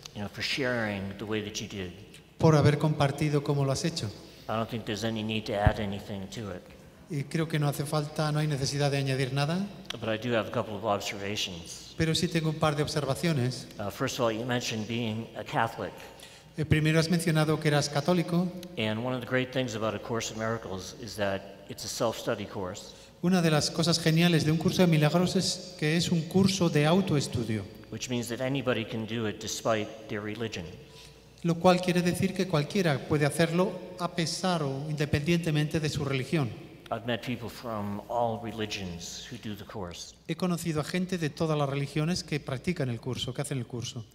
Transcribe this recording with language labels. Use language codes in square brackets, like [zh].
[en] You know, for sharing the way that you did. [es] Por haber compartido cómo lo has hecho. [en] I don't think there's any need to add anything to it. [es] Y creo que no hace falta, no hay necesidad de añadir nada. [en] But I do have a couple of observations. [es] Pero sí tengo un par de observaciones. [en] First of all, you mentioned being a Catholic. [es] Primero has mencionado que eras católico. [en] And one of the great things about A Course in Miracles is that it's a self-study course. [es] Una de las cosas geniales de un curso de milagros es que es un curso de autoestudio. [en] Which means that anybody can do it despite their religion. [es] Lo cual quiere decir que cualquiera puede hacerlo a pesar o independientemente de su religión. [en] I've met people from all religions who do the course. [es] He conocido a gente de todas las religiones que practican el curso, que hacen el curso.